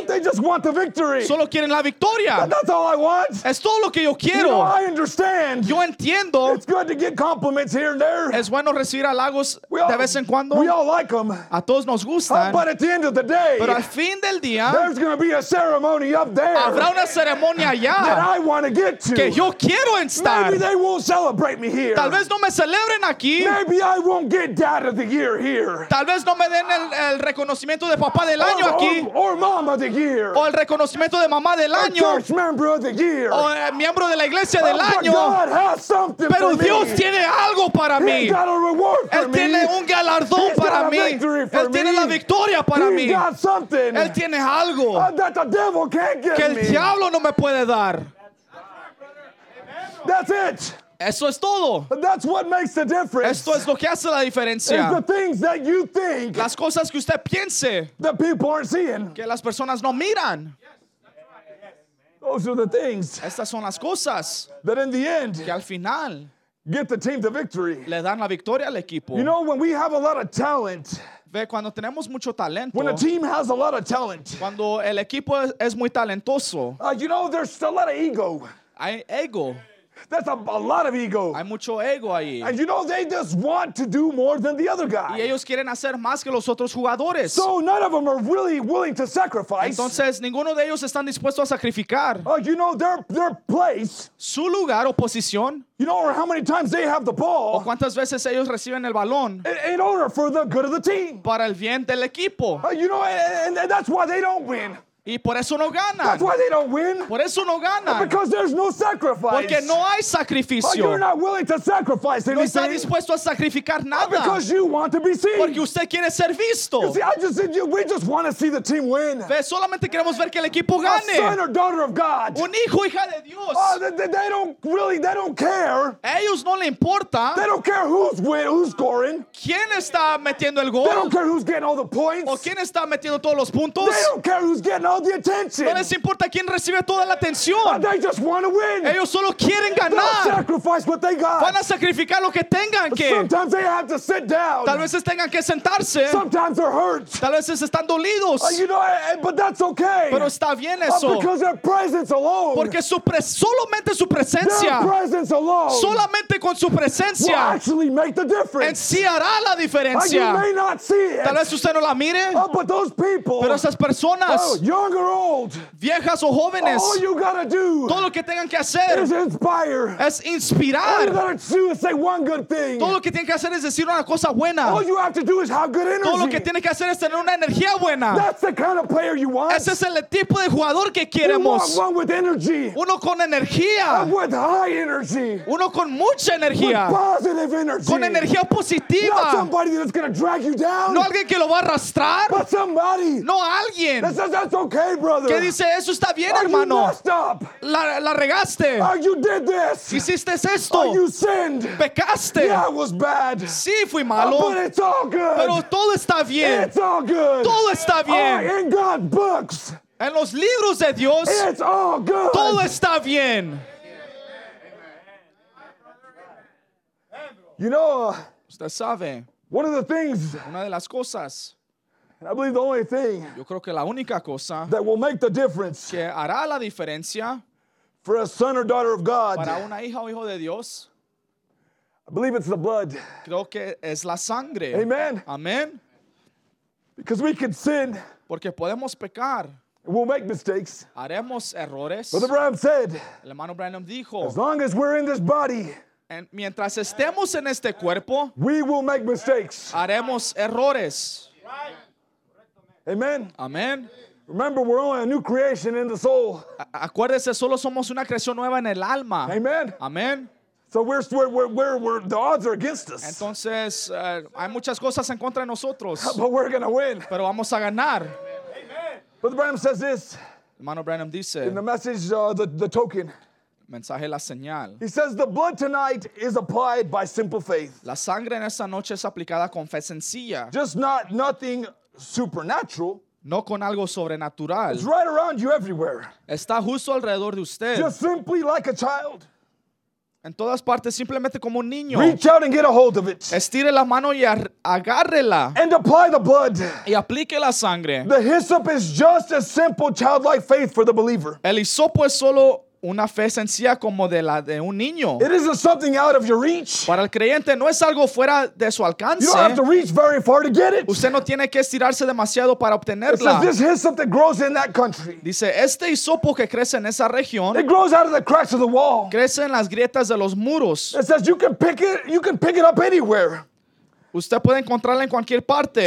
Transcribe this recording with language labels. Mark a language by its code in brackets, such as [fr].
[en] They just want the victory. [es] Solo quieren la victoria. [en] That's all I want. [es] Es todo lo que yo quiero. [en] You know, I understand. [es] Yo entiendo. [en] It's good to get compliments here and there. [es] Es bueno recibir halagos de vez en cuando. [en] We all like them. [es] A todos nos gustan. [en] But at the end of the day, [es] pero al fin del día, [en] there's going to be a ceremony up there. [es] Habrá una ceremonia allá [en] that I want to get to. [es] Que yo quiero estar. [en] Maybe they won't celebrate me here. [es] Tal vez no me celebren aquí. [en] Maybe I won't get Dad of the Year here. [es] Tal vez no me den el reconocimiento de Papá del Año aquí. [en] Or Mama of the Year. [es] O el reconocimiento de Mamá del Año. [en] Or Church Member of the Year. [es] O miembro de la Iglesia del Año. [en] But God has something [es] pero [en] for [es] Dios [en] me. [es] Tiene algo para [en] He [es] mí. [en] Got a reward for [es] Él [en] me. [es] Tiene un galardón [en] He's [es] para mí. Él [en] me. [es] Tiene la victoria para [en] He [es] mí. Él tiene algo [en] that the devil can't give [es] que el [en] me. [es] Diablo no me puede dar. [en] That's it. [es] Eso es todo. [en] That's what makes the difference. [es] Esto es lo que hace la diferencia. [en] It's the things that you think [es] las cosas que usted piense [en] that people aren't seeing. [es] Que las personas no miran. [en] Those are the things [es] estas son las cosas [en] that in the end, [es] que al final [en] get the team the victory. [es] Le dan la victoria al equipo. [en] You know, when we have a lot of talent, [es] ve, cuando tenemos mucho talento, [en] when a team has a lot of talent, [es] cuando el equipo es muy talentoso, [en] you know, there's a lot of ego. [es] Hay ego. [en] That's a lot of ego. [es] Hay mucho ego ahí. [en] And you know, they just want to do more than the other guy. [es] Y ellos quieren hacer más que los otros jugadores. [en] So none of them are really willing to sacrifice. [es] Entonces, ninguno de ellos están dispuestos a sacrificar. [en] You know, their place, [es] su lugar o posición, [en] you know, or how many times they have the ball, [es] o cuántas veces ellos reciben el balón, [en] in order for the good of the team, [es] para el bien del equipo. [en] You know, and that's why they don't win. [es] Y por eso no ganan. [en] That's why they don't win. [es] Por eso no ganan. [en] But because there's no sacrifice. [es] Porque no hay sacrificio. [en] But you're not willing to sacrifice anything. [es] No está dispuesto a sacrificar nada. [en] But because you want to be seen. [es] Porque usted quiere ser visto. [en] You see, I just said, we just want to see the team win. [es] Ve, solamente queremos ver que el equipo gane. [en] A son or daughter of God. [es] Un hijo, hija de Dios. [en] They don't care. [es] Ellos no le importa. [en] They don't care who's scoring. [es] ¿Quién está metiendo el gol? [en] They don't care who's getting all the points. [es] ¿O quién está metiendo todos los puntos? [en] They don't care who's getting all the attention. [es] No les importa quién recibe toda la atención. [en] They just want to win. [es] Ellos solo quieren ganar. [en] They'll sacrifice what they got. [es] Van a sacrificar lo que tengan que. [en] Sometimes they have to sit down. [es] Tal vez tengan que sentarse. [en] Sometimes they're hurt. [es] Tal vez están dolidos. [en] You know, but that's okay. [es] Pero está bien eso. [en] Because their presence alone. [es] Porque solamente su presencia. [en] Their presence alone. [es] Solamente con su presencia. [en] Will actually make the difference. [es] En sí hará la diferencia. [en] You may not see it. [es] Tal vez usted no la mire. [en] But those people. [es] Pero esas personas. [en] Oh, young or old, [es] viejas o jóvenes, [en] all you gotta do, [es] todo lo que tengan que hacer, [en] is inspire, [es] es inspirar. [en] All you gotta do is say one good thing, [es] todo lo que tienen que hacer es decir una cosa buena. [en] All you have to do is have good energy, [es] todo lo que tienen que hacer es tener una energía buena. [en] That's the kind of player you want. [es] Ese es el tipo de jugador que queremos. [en] You want one with energy, [es] uno con energía, [en] and with high energy, [es] uno con mucha energía, [en] with positive energy, [es] con energía positiva. [en] Not somebody that's gonna drag you down, [es] no alguien que lo va a arrastrar, [en] but somebody, [es] no alguien. [en] That's okay, brother. [es] Que dice, eso está bien, [en] are [es] hermano. [en] You messed up? [es] La regaste. [en] Are you did this? [es] Hiciste esto. [en] Are you sinned? [es] Pecaste. [en] Yeah, it was bad. [es] Sí, fui malo. [en] But it's all good. [es] Pero todo está bien. [en] It's all good. [es] Todo está bien. [en] In God's books. [es] En los libros de Dios. [en] It's all good. [es] Todo está bien. [en] You know, [es] usted sabe. [en] One of the things. [es] Una de las cosas. [en] I believe the only thing, [es] yo creo que la única cosa, [en] that will make the difference, [es] que hará la diferencia, [en] for a son or daughter of God, [es] para una hija o hijo de Dios, [en] I believe it's the blood. [es] Creo que es la sangre. [en] Amen. [es] Amen. [en] Because we can sin. [es] Porque podemos pecar. [en] We'll make mistakes. [es] Haremos errores. [en] Brother Branham said, [es] el hermano Branham dijo, [en] as long as we're in this body, [es] en, mientras estemos en este cuerpo, [en] we will make mistakes. [es] Haremos errores. [en] Right. [es] Amen. [en] Amen. Remember, we're only a new creation in the soul. [es] Acuérdese, solo somos una creación nueva en el alma. [en] Amen. [es] Amen. [en] So we're the odds are against us. [es] Entonces, hay muchas cosas en contra de nosotros. [en] But we're gonna win. [es] Pero vamos a ganar. [en] Amen. Brother Branham says this. [es] Hermano Branham dice. [en] In the message, the token. [es] Mensaje la señal. [en] He says the blood tonight is applied by simple faith. [es] La sangre en esta noche es aplicada con fe sencilla. [en] Just not nothing supernatural. [es] No con algo sobrenatural. [en] It's right around you everywhere. [es] Está justo alrededor de usted. [en] Just simply like a child. [es] En todas partes, simplemente como un niño. [en] Reach out and get a hold of it. [es] Estire la mano y agárrela. [en] And apply the blood. [es] Y aplique la sangre. [en] The hyssop is just a simple childlike faith for the believer. [es] El hisopo es solo una fe sencilla como de la de un niño. [en] It isn't something out of your reach. [es] Para el creyente no es algo fuera de su alcance. [en] You don't have to reach very far to get it. [es] Usted no tiene que estirarse demasiado para obtenerla. [en] It says this hyssop that grows in that country. [es] Dice, este hisopo que crece en esa región. [en] It grows out of the cracks of the wall. [es] Crece en las grietas de los muros. [en] It says you can pick it up anywhere. [es] Usted puede encontrarla en cualquier parte.